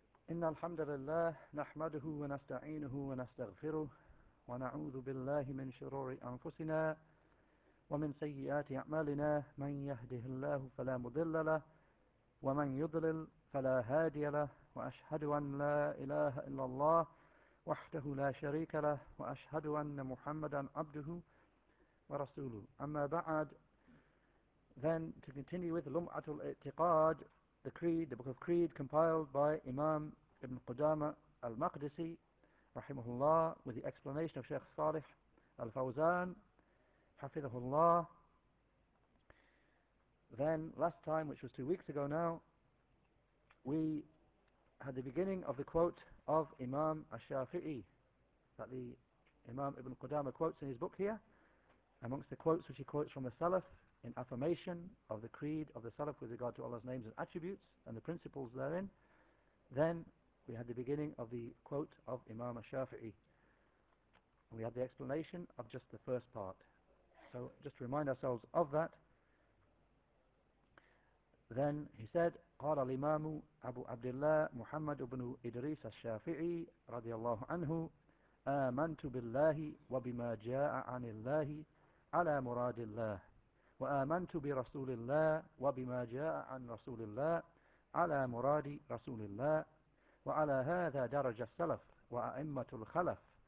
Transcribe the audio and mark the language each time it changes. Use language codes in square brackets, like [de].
[ar] إن الحمد لله نحمده ونستعينه ونستغفره ونعوذ بالله من شرور أنفسنا ومن سيئات أعمالنا، من يهده الله فلا مضل له ومن يضلل فلا هادي له، وأشهد أن لا إله إلا الله وحده لا شريك له، وأشهد أن محمدا عبده ورسوله. أما بعد، [en] then to continue with لمعة الاعتقاد, the creed, the book of creed compiled by Imam Ibn Qudama al-Maqdisi rahimahullah, with the explanation of Shaykh Salih al-Fawzan hafidhahullah. Then last time, which was 2 weeks ago now, we had the beginning of the quote of Imam al-Shafi'i that the Imam Ibn Qudama quotes in his book here, amongst the quotes which he quotes from the Salaf in affirmation of the creed of the Salaf with regard to Allah's names and attributes and the principles therein. Then we had the beginning of the quote of Imam al-Shafi'i. We had the explanation of just the first part. So just to remind ourselves of that, then he said, [ar] قال الإمام أبو عبد الله محمد بن إدريس الشافعي رضي الله عنه آمنت بالله وبما جاء عن الله على مراد الله وآمنت برسول الله وبما جاء عن رسول الله على مراد رسول الله وعلى هذا درج السلف وأئمة الخلف